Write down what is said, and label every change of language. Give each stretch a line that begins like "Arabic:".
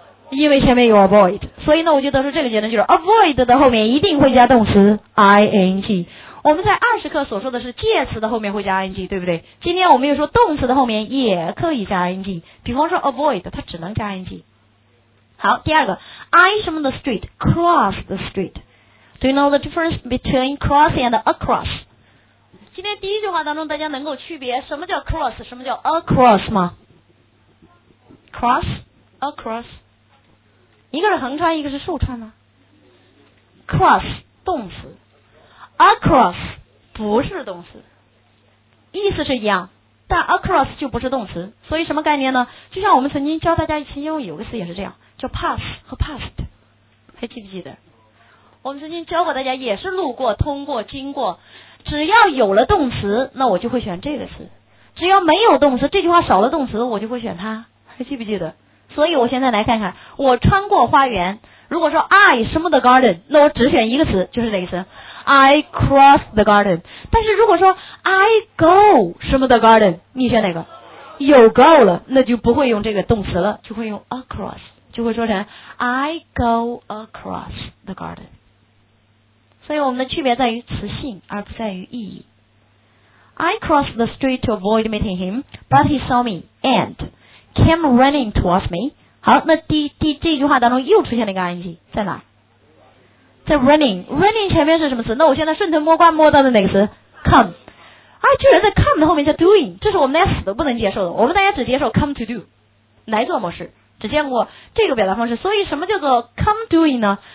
Chinese: 因为前面有 avoid. 所以呢，我就得出这个结论，就是 avoid 的后面一定会加动词 ing. 我们在二十课所说的是介词的后面会加 ing, 对不对？今天我们又说动词的后面也可以加 ing. 比方说 avoid, 它只能加 ing. 好，第二个 ,I 什么的 street,
English: cross the street. Do you know the difference between cross and across?
Chinese: 今天第一句话当中大家能够区别什么叫 cross, 什么叫 across 吗？
English: Cross, across.
Chinese: 一个是横穿，一个是竖穿吗？Cross, 动词。 Across, 不是动词。意思是一样，但 across 就不是动词。所以什么概念呢？就像我们曾经教大家一起用有个词也是这样，叫 pass 和 passed。还记不记得？我们曾经教过大家，也是路过、通过、经过，只要有了动词，那我就会选这个词；只要没有动词，这句话少了动词，我就会选它。还记不记得？所以我现在来看看，我穿过花园，如果说 I 什么 the garden， 那我只选一个词，就是哪个词 ？
English: I cross the garden。
Chinese: 但是如果说
English: I go
Chinese: 什么 the garden， 你选哪个？有 go 了，那就不会用这个动词了，就会用 across。就会说成
English: I go across the garden。
Chinese: 所以我们的区别在于词性而不在于意义。
English: I crossed the street to avoid meeting him, but he saw me and came running towards me。
Chinese: 好，那这句话当中又出现了一个 ing， 在哪？在 running。 running 前面是什么词？那我现在顺藤摸瓜摸到的哪个词？
English: come。
Chinese: 哎，居然在 come 的后面叫 doing， 这是我们大家死都不能接受的。我们大家只接受
English: come to do，
Chinese: 来做模式，只见过这个表达方式。所以什么叫做
English: come doing
Chinese: 呢？